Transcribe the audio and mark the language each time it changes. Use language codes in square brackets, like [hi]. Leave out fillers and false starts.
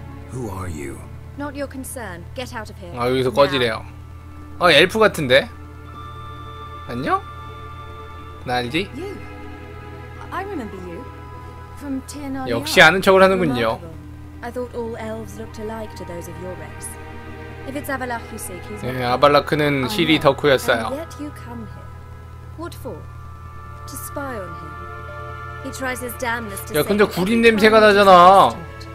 [en] Who are you? Not your concern. Get out of here. [ko] 아, 여기서 꺼지래요. 엘프 같은데. 안녕? 나 알지? [en] I remember you. From Tirnania. [ko] 역시 아는 척을 하는군요. [en] I thought all elves looked alike to those of your race. If it's Avalok you seek, he's. [ko] 네, 아발라크는 실이 덕후였어요. [en] Yet you come here. What for? To spy on him. He tries his damnedest to. [ko] 야, 근데 구린 냄새가 나잖아.